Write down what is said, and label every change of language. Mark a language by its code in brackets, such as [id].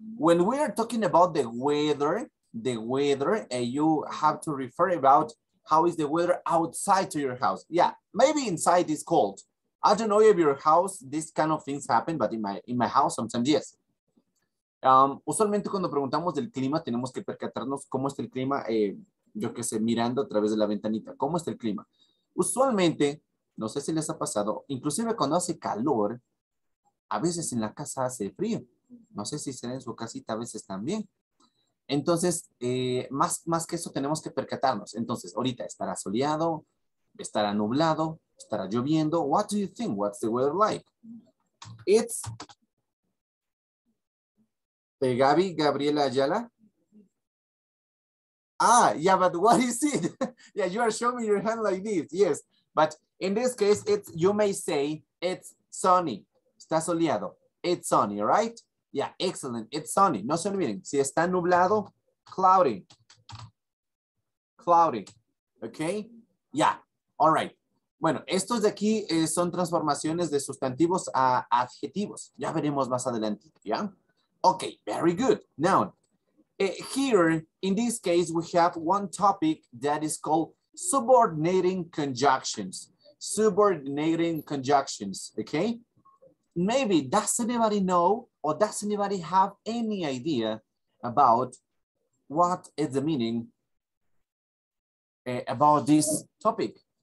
[en] When we are talking about the weather, and you have to refer about how is the weather outside to your house. Yeah, maybe inside is cold. I don't know if your house, this kind of things happen, but in my house sometimes, yes. [es] Usualmente cuando preguntamos del clima, tenemos que percatarnos cómo está el clima, yo qué sé, mirando a través de la ventanita, cómo está el clima. Usualmente, no sé si les ha pasado, inclusive cuando hace calor, a veces en la casa hace frío. No sé si será en su casita a veces también. Entonces, más que eso tenemos que percatarnos. Entonces, ahorita estará soleado, estará nublado, estará lloviendo. [en] What do you think? What's the weather like? It's... Gabi, Gabriela Ayala. Ah, yeah, but what is it? Yeah, you are showing your hand like this, yes. But in this case, it's, you may say, it's sunny. [es] Está soleado. [en] It's sunny, right? Yeah, excellent. It's sunny. [es] No se olviden. Si está nublado, [en] cloudy. Cloudy. Okay? Yeah. All right. [es] Bueno, estos de aquí son transformaciones de sustantivos a adjetivos. Ya veremos más adelante, ¿ya? [en] Okay, very good. Now, here, in this case, we have one topic that is called subordinating conjunctions. Subordinating conjunctions, okay? Maybe, does anybody know or does anybody have any idea about what is the meaning about this topic?